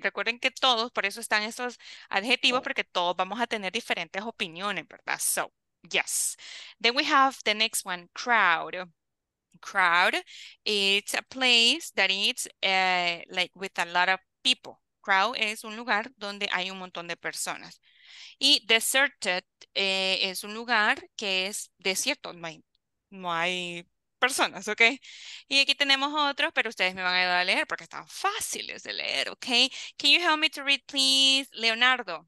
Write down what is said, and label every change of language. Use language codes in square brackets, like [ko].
[es] Recuerden que todos, por eso están esos adjetivos, porque todos vamos a tener diferentes opiniones, ¿verdad? [en] So, yes. Then we have the next one, crowd. Crowd, it's a place that it's like with a lot of people. [es] Crowd es un lugar donde hay un montón de personas. Y deserted es un lugar que es desierto. No hay personas, ok. Y aquí tenemos otros, pero ustedes me van a ayudar a leer porque están fáciles de leer, ok. [en] Can you help me to read, please, Leonardo?